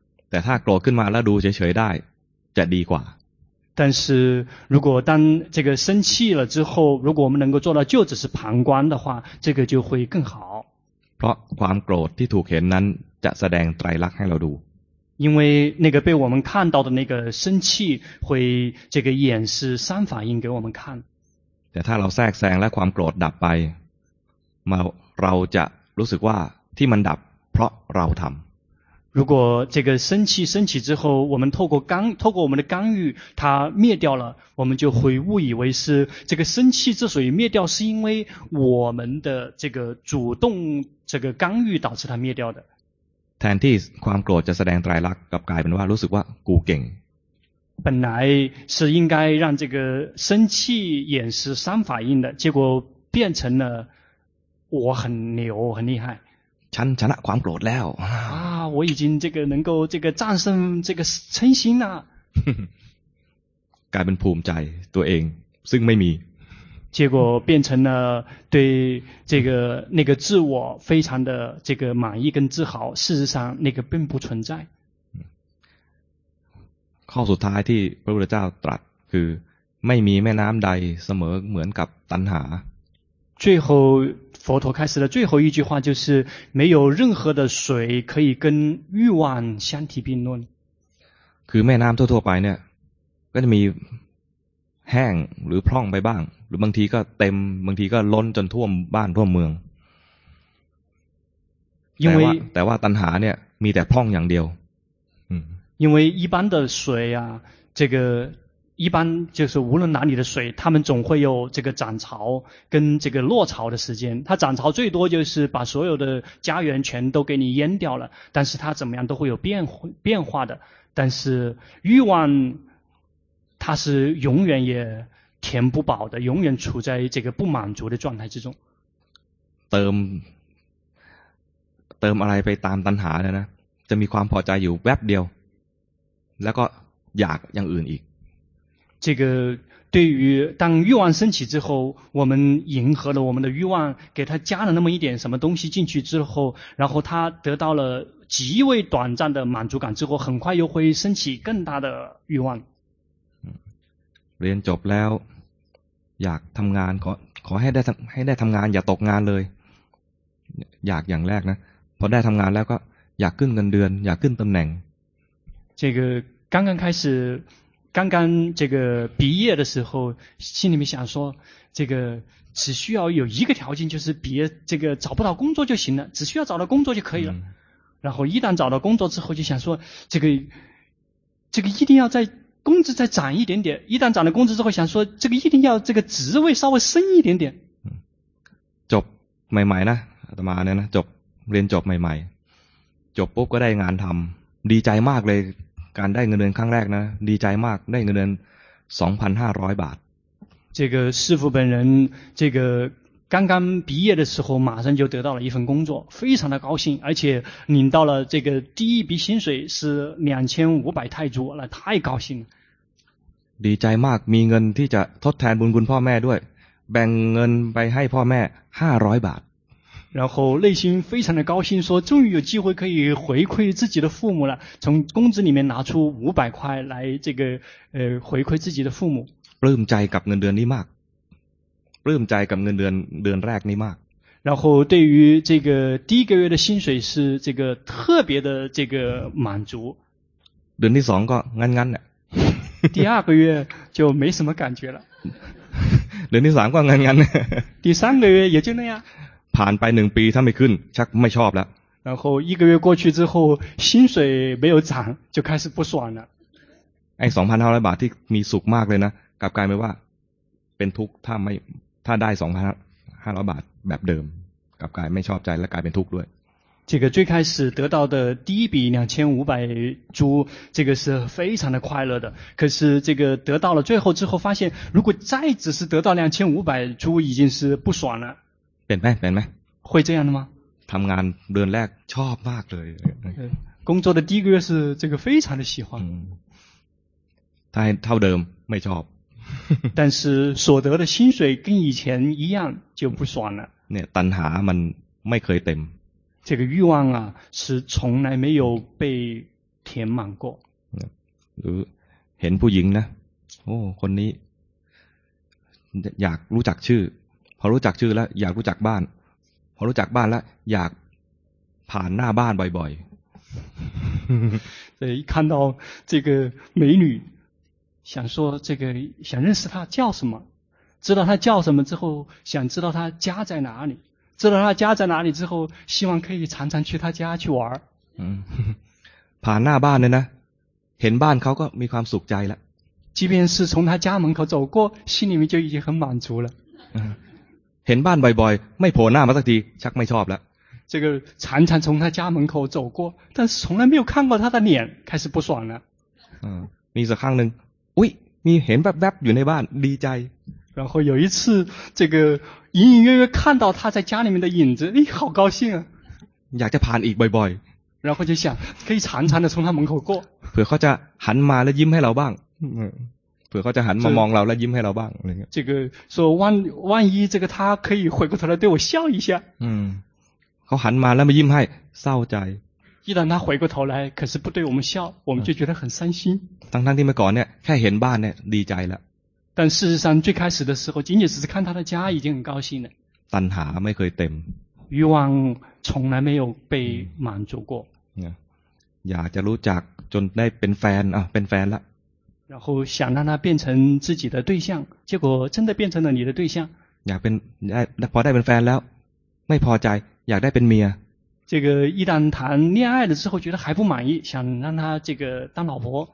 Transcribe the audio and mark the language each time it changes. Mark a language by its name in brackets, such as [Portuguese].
[Thai] แต่ถ้าโกรธขึ้นมาแล้วดูเฉยๆได้จะดีกว่า [Chinese] 但是如果当这个生气了之后，如果我们能够做到就只是旁观的话，这个就会更好。 [Thai] เพราะความโกรธที่ถูกเห็นนั้นจะแสดงไตรลักษณ์ให้เราดู [Chinese] 因为那个被我们看到的那个生气会这个演示三法印给我们看。 [Thai] แต่ถ้าเราแทรกแซงและความโกรธดับไปมาเราจะรู้สึกว่าที่มันดับเพราะเราทำ [Chinese] 如果这个生气升起之后我们透过我们的干预它灭掉了我们就会误以为是这个生气之所以灭掉是因为我们的这个主动这个干预导致它灭掉的 [Thai] แทนที่ความโกรธจะแสดงไตรลักษณ์กับกลายเป็นว่ารู้สึกว่ากูเก่ง [Chinese] 本来是应该让这个生气演示三法印的结果变成了我很牛很厉害 [Thai] ฉันชนะความโกรธแล้ว [Chinese] 我已经这个能够这个战胜这个嗔心了 [Thai] กลายเป็นภูมิใจตัวเองซึ่งไม่มี [Chinese] 结果变成了对这个那个自我非常的这个满意跟自豪事实上那个并不存在 [Thai] ข้อสุดท้ายที่พระพุทธเจ้าตรัสคือไม่มีแม่น้ำใดเสมอเหมือนกับตัณหา [Chinese] 最后佛陀开始的最后一句话就是没有任何的水可以跟欲望相提并论 [Thai] คือแม่น้ำทั่วๆไปเนี่ยก็จะมีแห้งหรือพร่องไปบ้างหรือบางทีก็เต็มบางทีก็ล้นจนท่วมบ้านท่วมเมืองแต่ว่าตัณหาเนี่ยมีแต่พร่องอย่างเดียว [Chinese] 因为一般的水啊这个一般就是无论哪里的水他们总会有这个涨潮跟这个落潮的时间它涨潮最多就是把所有的家园全都给你淹掉了但是它怎么样都会有变化的但是欲望它是永远也填不饱的永远处在这个不满足的状态之中 [Thai] เติมอะไรไปตามตัณหาเนี่ยนะจะมีความพอใจอยู่แวบเดียวแล้วก็อยากอย่างอื่นอีก [Chinese] 这个对于当欲望升起之后我们迎合了我们的欲望给他加了那么一点什么东西进去之后然后他得到了极为短暂的满足感之后很快又会升起更大的欲望 [Thai] เรียนจบแล้วอยากทำงานขอให้ได้ทำงานอย่าตกงานเลยอยากอย่างแรกนะพอได้ทำงานแล้วก็อยากขึ้นเงินเดือนอยากขึ้นตำแหน่ง [Chinese] 这个刚刚开始刚刚这个毕业的时候心里面想说这个只需要有一个条件就是别这个找不到工作就行了只需要找到工作就可以了然后一旦找到工作之后就想说这个一定要在工资再涨一点点一旦涨了工资之后想说这个一定要这个职位稍微升一点点 [Thai] จบใหม่ๆนะอาตมาเนี่ยนะจบเรียนจบใหม่ๆจบปุ๊บก็ได้งานทำดีใจมากเลยการได้เงินเดือนครั้งแรกนะดีใจมากได้เงินเดือน 2,500 บาท [Chinese] 这个师父本人这个刚刚毕业的时候马上就得到了一份工作非常的高兴而且领到了这个第一笔薪水是2500泰铢了太高兴 [Thai] ดีใจมากมีเงินที่จะทดแทนบุญคุณพ่อแม่ด้วยแบ่งเงินไปให้พ่อแม่500บาท [Chinese] 然后内心非常的高兴说终于有机会可以回馈自己的父母了从工资里面拿出500块来这个回馈自己的父母 [Thai] ปลื้มใจกับเงินเดือนนี้มากปลื้มใจกับเงินเดือนแรกนี้มาก [Chinese] 然后对于这个第一个月的薪水是这个特别的这个满足 [Thai] เดือนที่สองก็งั้นๆแหละ [Chinese] 第二个月就没什么感觉了 [Thai] เดือนที่สามก็งั้นๆแหละ [Chinese] 第三个月也就那样 [Thai] ผ่านไป1ปีถ้าไม่ขึ้นชักไม่ชอบแล้ว [Chinese] 然后一个月过去之后薪水没有涨就开始不爽了 [Thai] ไอ้ 2,500 บาทที่มีสุขมากเลยนะกลับกลายเป็นว่าเป็นทุกข์ถ้าได้ 2,500 บาทแบบเดิมกลับกลายไม่ชอบใจและกลายเป็นทุกข์ด้วย [Chinese] 这个最开始得到的第一笔2500铢这个是非常的快乐的可是这个得到了最后之后发现如果再只是得到2500铢已经是不爽了 [Thai] เป็นไหม [Chinese] 会这样的吗 [Thai] ทำงานเดือนแรกชอบมากเลย [Chinese] 工作的第一个月是这个非常的喜欢 [Thai] ถ้าเท่าเดิมไม่ชอบ [Chinese] 但是所得的薪水跟以前一样就不爽了 [Thai] เนี่ยตัณหามันไม่เคยเต็ม [Chinese] 这个欲望啊是从来没有被填满过 [Thai] หรือเห็นผู้หญิงนะ โอ้คนนี้อยากรู้จักชื่อพอรู้จักชื่อแล้วอยากรู้จักบ้านพอรู้จักบ้านแล้วอยากผ่านหน้าบ้านบ่อย [Chinese] ๆ所以看到这个美女想说这个想认识她叫什么知道她叫什么之后想知道她家在哪里知道她家在哪里之后希望可以常常去她家去玩 [Thai] ผ่านหน้าบ้านเลยนะเห็นบ้านเขาก็มีความสุขใจแล้ว [Chinese] 即便是从他家门口走过心里面就已经很满足了 [Thai] เห็นบ้านบ่อยๆไม่โผล่หน้ามาสักทีชักไม่ชอบแล้ว [Chinese] 这个常常从他家门口走过但是从来没有看过他的脸开始不爽了 [Thai] มีสักครั้งหนึ่งอุ๊ยมีเห็นแวบๆอยู่ในบ้านดีใจ [Chinese] 然后有一次这个隐隐约约看到他在家里面的影子哎好高兴啊 [Thai] อยากจะผ่านอีกบ่อยๆ [Chinese] 然后就想可以常常的从他门口过 [Thai] เผื่อเขาจะหันมาแล้วยิ้มให้เราบ้างเผื่อเขาจะหันมามองเราแล้วยิ้มให้เราบ้างอะไรเงี้ย [Chinese] 这个说万一这个他可以回过头来对我笑一下 [Thai] เขาหันมาแล้วไม่ยิ้มให้เศร้าใจ [Chinese] 一旦他回过头来可是不对我们笑我们就觉得很伤心 [Thai] ทั้งที่เมื่อก่อนเนี่ยแค่เห็นบ้านเนี่ยดีใจแล้ว [Chinese] 但事实上最开始的时候仅仅只是看他的家已经很高兴了 [Thai] ตัณหาไม่เคยเต็ม [Chinese] 欲望从来没有被满足过 [Thai] อยากจะรู้จักจนได้เป็นแฟนเป็นแฟนละ [Chinese] 然后想让他变成自己的对象结果真的变成了你的对象 [Thai] อยากเป็นได้พอได้เป็นแฟนแล้วไม่พอใจอยากได้เป็นเมีย [Chinese] 这个一旦谈恋爱了之后觉得还不满意想让他这个当老婆